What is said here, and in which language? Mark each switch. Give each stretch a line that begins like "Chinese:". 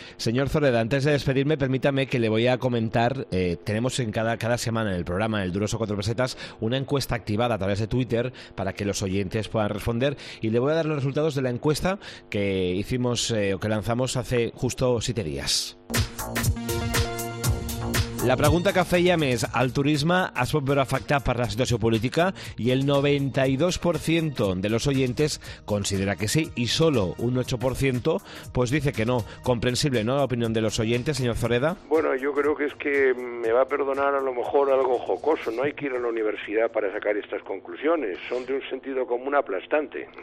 Spanish: Señor Zoreda, antes de despedirme, permítame que le voy a comentar, tenemos en cada semana en el programa, en el Duroso Cuatro Pesetas, una encuesta activada a través de Twitter para que los oyentes puedan responder, y le voy a dar los resultados de la encuesta que hicimos o que lanzamos hace justo 7 días.
Catalan: La pregunta que fèiem és, el turisme es pot veure afectat per la situació política?
Spanish: I el 92% de los oyentes considera que sí, y solo un 8% pues dice que no. Comprensible, ¿no?, la opinión de los oyentes, señor Zoreda. Bueno, yo creo que es que me va a perdonar a lo mejor algo jocoso. No hay que ir a la universidad para sacar estas conclusiones. Son de un sentido común aplastante.